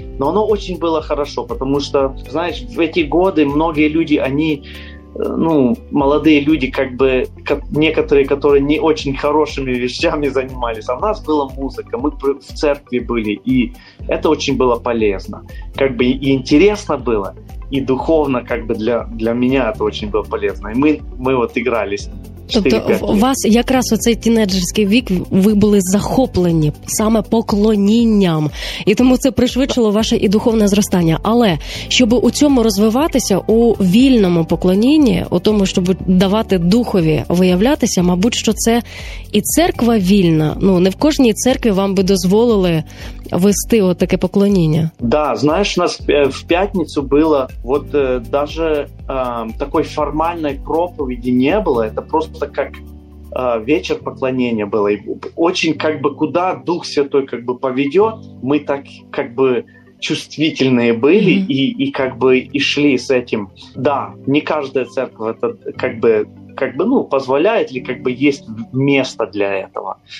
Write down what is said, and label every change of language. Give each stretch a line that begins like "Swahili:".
Russian: Но оно очень было хорошо, потому что, знаешь, в эти годы многие люди, они, ну, молодые люди, как бы некоторые, которые не очень хорошими вещами занимались. А у нас была музыка, мы в церкви были, и это очень было полезно. Как бы и интересно было, и духовно, как бы для меня это очень было полезно. И мы вот играли с ним.
Ukrainian: Тобто у вас якраз оцей тінейджерський вік, ви були захоплені саме поклонінням. І тому це пришвидшило ваше і духовне зростання. Але, щоб у цьому розвиватися, у вільному поклонінні, у тому, щоб давати духові виявлятися, мабуть, що це і церква вільна. Ну, не в кожній церкві вам би дозволили вести от таке поклоніння. Да, знаєш, у нас в п'ятницю було, от навіть такої формальної проповіді не було, це просто
Russian: как вечер поклонения было. И очень как бы куда Дух Святой как бы поведет, мы так как бы чувствительные были, mm-hmm. и как бы и шли с этим. Да, не каждая церковь это как бы ну, позволяет ли, как бы есть место для этого.